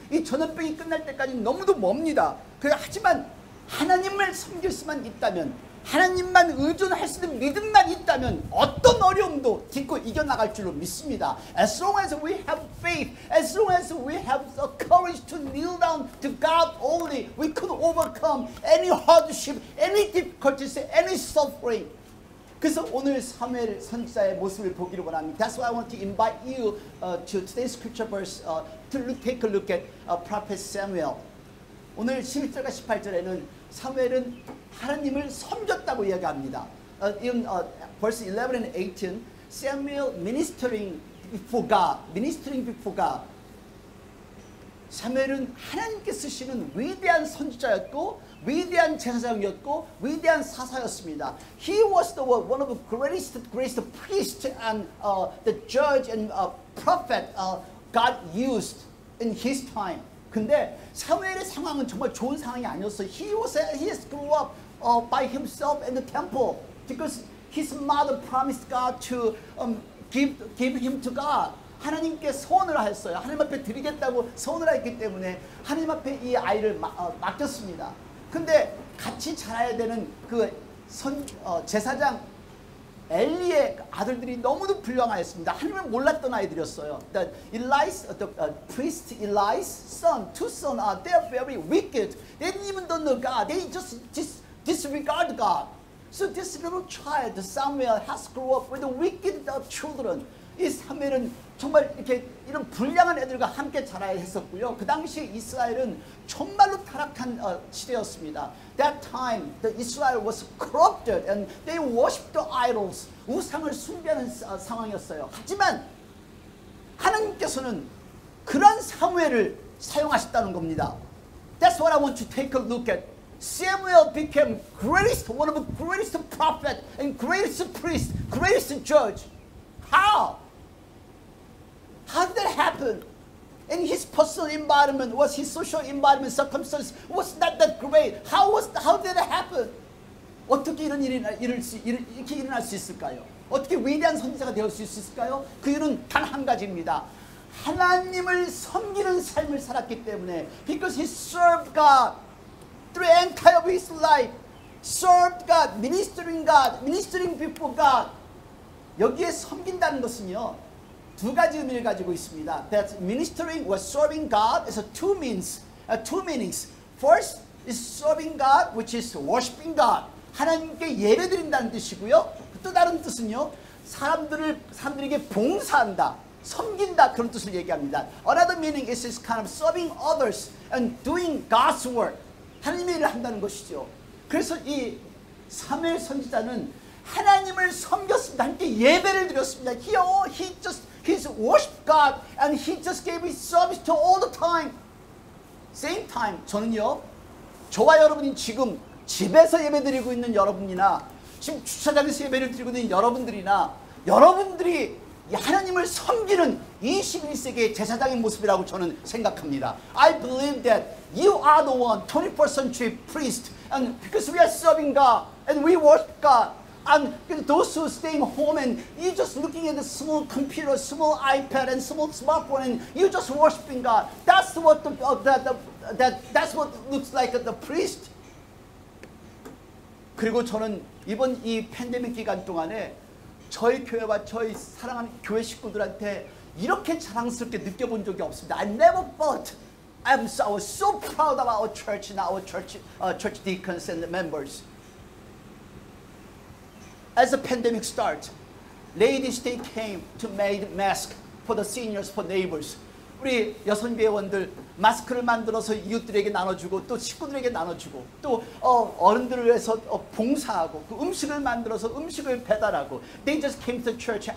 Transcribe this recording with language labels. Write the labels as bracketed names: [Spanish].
[Korean] 이 전염병이 끝날 때까지 너무도 멉니다. 하지만 하나님을 섬길 수만 있다면 하나님만 의존할 수 있는 믿음만 있다면 어떤 어려움도 딛고 이겨나갈 줄로 믿습니다. [English] As long as we have faith, as long as we have the courage to kneel down to God only, we could overcome any hardship, any difficulties, any suffering. [Korean] 그래서 오늘 사무엘 선지자의 모습을 보기를 원합니다. [English] That's why I want to invite you to today's scripture verse to look, take a look at Prophet Samuel. [Korean] 오늘 11절과 18절에는 사무엘은 하나님을 섬겼다고 이야기합니다. [English] In verse 11 and 18, Samuel ministering before God, ministering before God. [Korean] 사무엘은 하나님께 쓰시는 위대한 선지자였고, 위대한 제사장이었고, 위대한 사사였습니다. [English] He was the one, one of the greatest priest and the judge and prophet God used in his time. [Korean] 근데 사무엘의 상황은 정말 좋은 상황이 아니었어요. [English] He grew up by himself in the temple because his mother promised God to give him to God. [Korean] 하나님께 소원을 했어요. 하나님 앞에 드리겠다고 소원을 했기 때문에 하나님 앞에 이 아이를 맡겼습니다. 근데 같이 자라야 되는 그 제사장 엘리의 아들들이 너무도 불량하였습니다. 하나님을 몰랐던 아이들이었어요. [English] That Eli's, priest Eli's son, two sons are they are very wicked. They didn't even know God. They just disregard God. So this little child Samuel has grown up with the wicked children. [Korean] 이 사무엘은 정말 이렇게 이런 불량한 애들과 함께 자라야 했었고요. 그 당시 이스라엘은 정말로 타락한 시대였습니다. [English] That time the Israel was corrupted and they worshiped the idols. [Korean] 우상을 숭배하는 상황이었어요. 하지만 하나님께서는 그런 사무엘을 사용하셨다는 겁니다. [English] That's what I want to take a look at. Samuel became greatest, one of the greatest prophet and greatest priest, greatest judge. How? How did that happen? And his personal environment, was his social environment, circumstances, was not that great. How did it happen? [Korean] 어떻게 이런 일이 이렇게 일어날 수 있을까요? 어떻게 위대한 선지자가 될 수 있을까요? 그 이유는 단 한 가지입니다. 하나님을 섬기는 삶을 살았기 때문에. [English] Because he served God through the entire of his life. Served God, ministering God, ministering before God. [Korean] 여기에 섬긴다는 것은요. 두 가지 의미를 가지고 있습니다. [English] That ministering or serving God is two means, two meanings. First is serving God, which is worshiping God. [Korean] 하나님께 예배 드린다는 뜻이고요. 또 다른 뜻은요. 사람들에게 봉사한다, 섬긴다 그런 뜻을 얘기합니다. [English] Another meaning is this kind of serving others and doing God's work. [Korean] 하나님의 일을 한다는 것이죠. 그래서 이 사무엘 선지자는 하나님을 섬겼습니다. 함께 예배를 드렸습니다. [English] He's worshiped God and he just gave his service to all the time. Same time, [Korean] 저는요, 저와 여러분이 지금 집에서 예배 드리고 있는 여러분이나 지금 주차장에서 예배를 드리고 있는 여러분들이나 여러분들이 하나님을 섬기는 21세기의 제사장의 모습이라고 저는 생각합니다. [English] I believe that you are the one 21st century priest and because we are serving God and we worship God. And those who stay home and you just looking at the small computer, small iPad, and small smartphone, and you just worshiping God. That's what that's what looks like the priest. [Korean] 그리고 저는 이번 이 팬데믹 기간 동안에 저희 교회와 저희 사랑하는 교회 식구들한테 이렇게 자랑스럽게 느껴본 적이 없습니다. [English] I never felt I was so proud of our church and our church church deacons and the members. As the pandemic starts, ladies, they came to make masks for the seniors, for neighbors. [Korean] 우리 여성 회원들 마스크를 만들어서 이웃들에게 나눠주고 또 식구들에게 나눠주고 또 어른들을 위해서 봉사하고 그 음식을 만들어서 음식을 배달하고 [English] They just came to church.